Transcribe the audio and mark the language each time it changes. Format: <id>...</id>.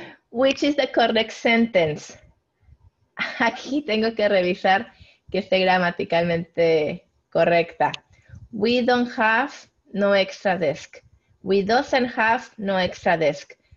<en>Which is the correct sentence?</en> <es>Aquí tengo que revisar que esté gramaticalmente correcta.</es> <en>We don't have no extra desk. We doesn't have no extra desk.</en>